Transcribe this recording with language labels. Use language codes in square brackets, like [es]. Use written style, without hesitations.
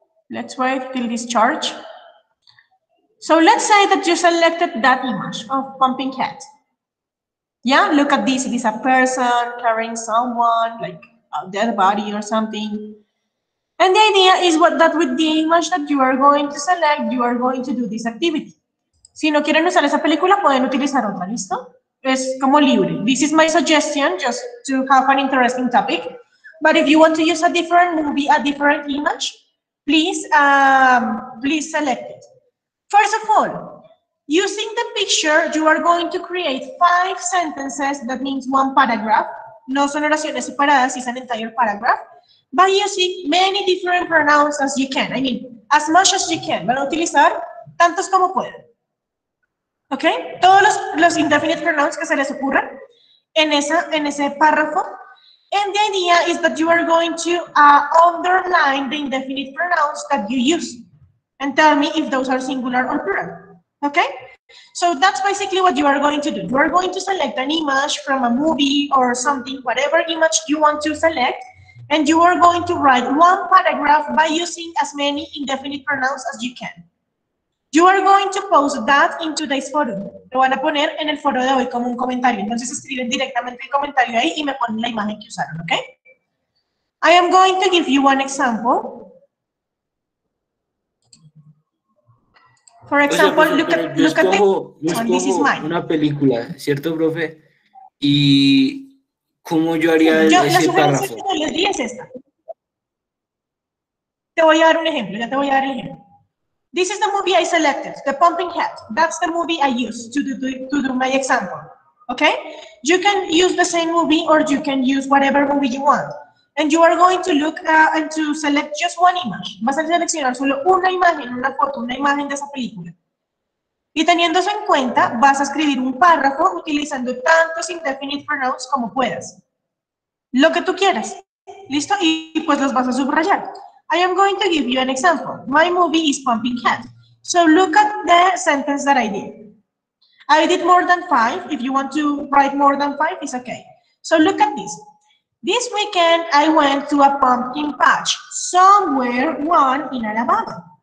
[en] Let's wait till this charge. So let's say that you selected that image of Pumping Head. Yeah, look at this, it is a person carrying someone, like a dead body or something. And the idea is that with the image that you are going to select, you are going to do this activity. [es] Si no quieren usar esa película, pueden utilizar otra, ¿listo? Es como libre. [en] This is my suggestion, just to have an interesting topic. But if you want to use a different movie, a different image, Please select it. First of all, using the picture, you are going to create 5 sentences, that means 1 paragraph, [es] no son oraciones separadas, [en] it's an entire paragraph, by using many different pronouns as you can. I mean, as much as you can. [es] Van a utilizar tantos como puedan. [en] ¿Ok? [es] Todos los indefinite pronouns que se les ocurran en ese párrafo. [en] And the idea is that you are going to underline the indefinite pronouns that you use and tell me if those are singular or plural. Okay? So that's basically what you are going to do. You are going to select an image from a movie or something, whatever image you want to select, and you are going to write one paragraph by using as many indefinite pronouns as you can. You are going to post that in today's forum. [es] Lo van a poner en el foro de hoy como un comentario. Entonces escriben directamente el comentario ahí y me ponen la imagen que usaron, okay? [en] I am going to give you one example. For example, profe, look at this is mine. [es] Una película, ¿cierto, profe? Y ¿cómo yo haría ese párrafo? La sugerencia que les di es esta. Te voy a dar un ejemplo, ya te voy a dar el ejemplo. [en] This is the movie I selected, The Pumping Head. That's the movie I use to do my example, okay? You can use the same movie or you can use whatever movie you want. And you are going to look and to select just one image. [es] Vas a seleccionar solo una imagen, una foto, una imagen de esa película. Y teniendo eso en cuenta, vas a escribir un párrafo utilizando tantos indefinite pronouns como puedas. Lo que tú quieras, ¿listo? Y pues los vas a subrayar. [en] I am going to give you an example. My movie is Pumping Head. So look at the sentence that I did. I did more than five. If you want to write more than five, it's okay. So look at this. This weekend, I went to a pumpkin patch, somewhere one in Alabama.